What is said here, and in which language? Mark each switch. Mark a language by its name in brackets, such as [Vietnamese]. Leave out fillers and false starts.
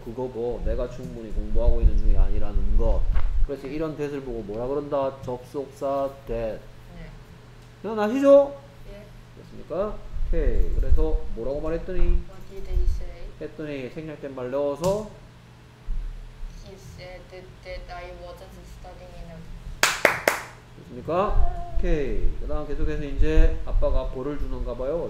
[Korean] 그거 뭐 내가 충분히 공부하고 있는 중이 아니라는 것. 그래서 이런 that을 보고 뭐라 그런다? 접속사 that. 네. 이건 아시죠? 예. 됐습니까? 오케이. 그래서 뭐라고 말했더니? [English] What did he say? [Korean] 했더니 생략된 말 넣어서 [English] He said that I wasn't studying enough. [Korean] 됐습니까? 오케이. 그 다음 계속해서 이제 아빠가 벌을 주는가 봐요.